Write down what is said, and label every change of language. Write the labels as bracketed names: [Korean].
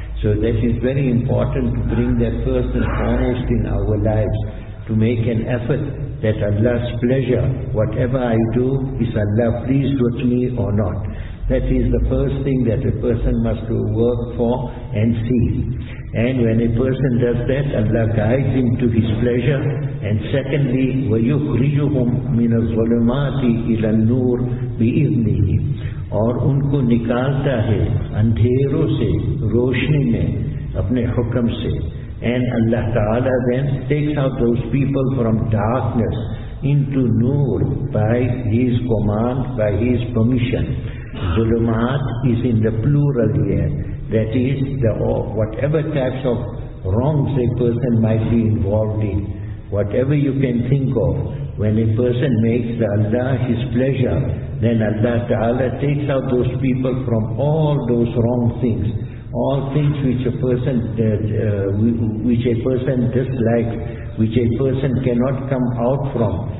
[English] So that is very important to bring that person foremost in our lives, to make an effort that Allah's pleasure, whatever I do, is Allah pleased with me or not. That is the first thing that a person must work for and see. And when a person does that, Allah guides him to his pleasure. And secondly, [Arabic] وَيُخْرِجُهُمْ مِنَ الظُّلُمَاتِ إِلَى النُّورِ بِإِذْنِهِ, [Urdu] اور ان کو نکالتا ہے اندھیروں سے روشنی میں اپنے حکم سے. [English] And Allah Ta'ala then takes out those people from darkness into نور by His command, by His permission. ظُلُمَات is in the plural here. That is, whatever types of wrongs a person might be involved in, whatever you can think of, when a person makes the Allah his pleasure, then Allah Ta'ala takes out those people from all those wrong things, all things which a person dislikes, which a person cannot come out from.